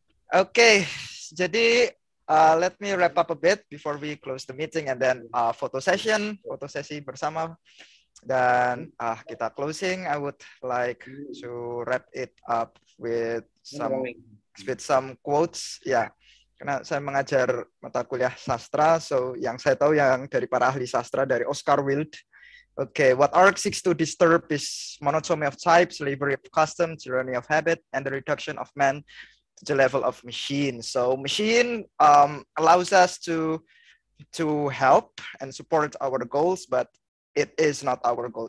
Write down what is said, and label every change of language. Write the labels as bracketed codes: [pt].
[en] Okay, [id] jadi [en] let me wrap up a bit before we close the meeting and then [id] foto sesi bersama dan kita [en] closing. I would like to wrap it up with some quotes. [id] Yeah, karena saya mengajar mata kuliah sastra, so yang saya tahu yang dari para ahli sastra dari Oscar Wilde. [en] Okay, what art seeks to disturb is monotony of type, slavery of custom, tyranny of habit, and the reduction of man to the level of machine. So machine allows us to help and support our goals, but it is not our goal.